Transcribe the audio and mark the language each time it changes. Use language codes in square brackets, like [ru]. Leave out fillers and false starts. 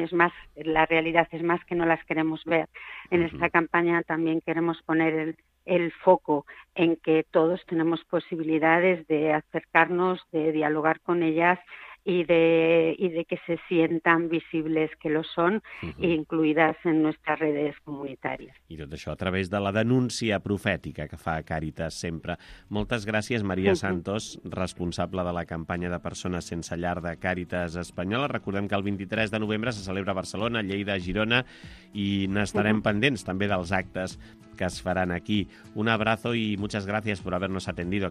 [es] Es más, la realidad es más que no las queremos ver. En esta campaña también queremos poner el foco en que todos tenemos posibilidades de acercarnos, de dialogar con ellas y de que se sientan visibles, [ca] que lo són, incluïdes en nostres redes comunitàries. I tot això a través de la denúncia profètica que fa Càritas sempre. Moltes gràcies, Maria Santos, responsable de la campanya de persones sense llar de Càritas Espanyola. Recordem que el 23 de novembre se celebra a Barcelona, Lleida, Girona, i n'estarem pendents també dels actes que es faran aquí. [es] Un abrazo y muchas gracias por habernos atendido.